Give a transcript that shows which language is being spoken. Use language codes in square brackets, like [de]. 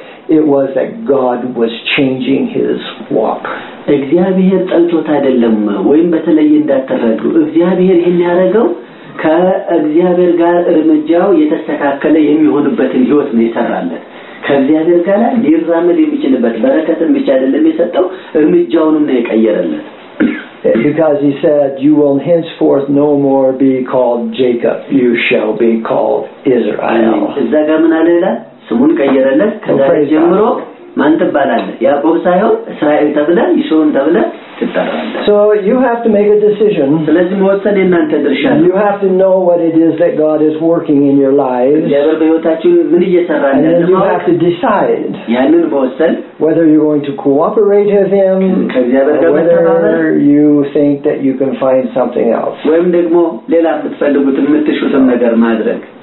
[en] It was that God was changing his walk. [am] እግዚአብሔር ጠልቶት አይደለም ወይም በተለየ እንዳተረዱ እግዚአብሔር ይሄን ያረጋው ከእግዚአብሔር ጋር እርምጃው የተስተካከለ የሚሆንበትን ህይወት ነው የሰራለት። ከእግዚአብሔር ጋር ሊራመድ የሚችልበት በረከትን ብቻ አይደለም የሰጠው እርምጃውንም ነው የቀየረለት። [en] Because he said, "You will henceforth no more be called Jacob, you shall be called Israel." [am] ዘጋምና ለላ ስሙን ቀየረለት ከዛ ጀምሮ ማን ተባላል? ያዕቆብ ሳይሆን እስራኤል ተብላ ይሶን ተብላ ትጠራለህ። [en] So you have to make a decision. [am] ስለዚህ ወሰን እናንተ ድርሻ። [en] You have to know what it is that God is working in your lives. [am] የበረከታችሁ ምን እየሰራ እንደሆነ [en] you have to decide. [am] ያንን ወሰን [en] whether you're going to cooperate with him whether you think that you can find something else. [am] ወይም ደግሞ ሌላ የምትፈልጉት የምትሹትም ነገር ማድረግ።